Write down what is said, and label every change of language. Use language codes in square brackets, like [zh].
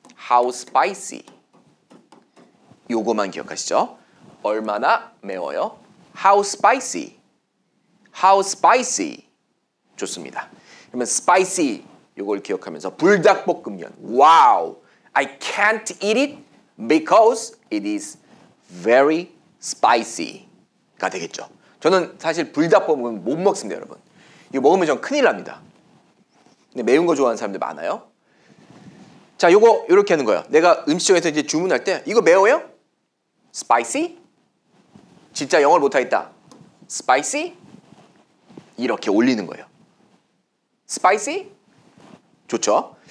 [ko] how spicy? 요거만 기억하시죠? 얼마나 매워요? how spicy? how spicy? 좋습니다. 그러면 spicy 요걸 기억하면서 불닭볶음면 와우! [en] I can't eat it because it is very spicy [ko] 가 되겠죠. 저는 사실 불닭볶음면 못 먹습니다, 여러분. 이거 먹으면 전 큰일 납니다. 근데 매운 거 좋아하는 사람들 많아요. 자, 요거 요렇게 하는 거예요. 내가 음식점에서 이제 주문할 때 이거 매워요? spicy? 진짜 영어를 못하겠다. spicy? 이렇게 올리는 거예요. spicy? 좋죠.